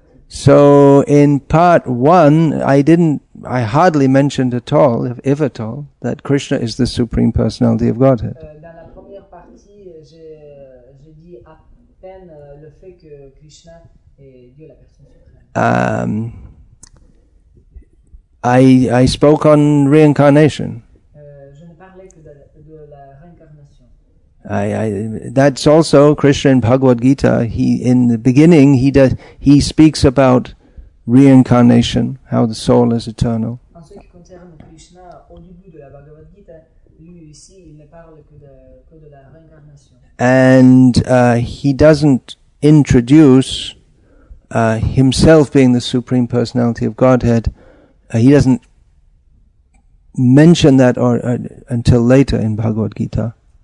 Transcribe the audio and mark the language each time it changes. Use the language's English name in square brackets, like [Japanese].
[English] So in part one, I hardly mentioned at all, if at all, that Krishna is the Supreme Personality of Godhead. [French] Dans la première partie, j'ai dit à peine le fait que Krishna est Dieu la personne. [English] I spoke on reincarnation. [French] Je ne parlais que de la réincarnation. [English] That's also Krishna in Bhagavad Gita. He in the beginning he speaks about reincarnation, how the soul is eternal. [French] En ce qui concerne Krishna, au début de la Bhagavad Gita, lui ici il ne parle que de la réincarnation. [English] And he doesn't introduce himself being the Supreme Personality of Godhead. He doesn't mention that until later in Bhagavad Gita.